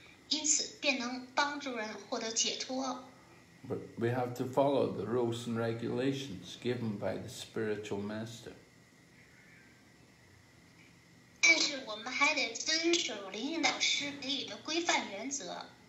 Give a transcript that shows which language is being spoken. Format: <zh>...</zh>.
<zh>因此便能帮助人获得解脱。</zh> <en>But we have to follow the rules and regulations given by the spiritual master.</en> <zh>但是我们还得遵守灵性导师给予的规范原则。</zh>